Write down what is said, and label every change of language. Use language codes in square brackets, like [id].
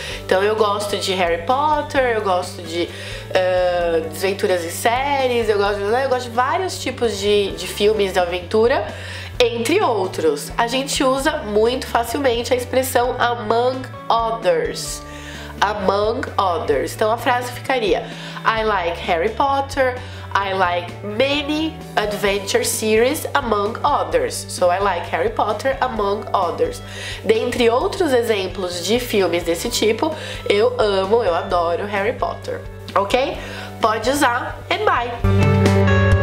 [pt] Então, eu gosto de Harry Potter, eu gosto de desventuras em séries, eu gosto de vários tipos de filmes de aventura. Entre outros, a gente usa muito facilmente a expressão [en] among others. [pt] Among others. Então a frase ficaria: [en] I like Harry Potter, I like many adventure series among others. So I like Harry Potter among others. [pt] Dentre outros exemplos de filmes desse tipo, eu amo, eu adoro Harry Potter. Ok? Pode usar [en] and bye!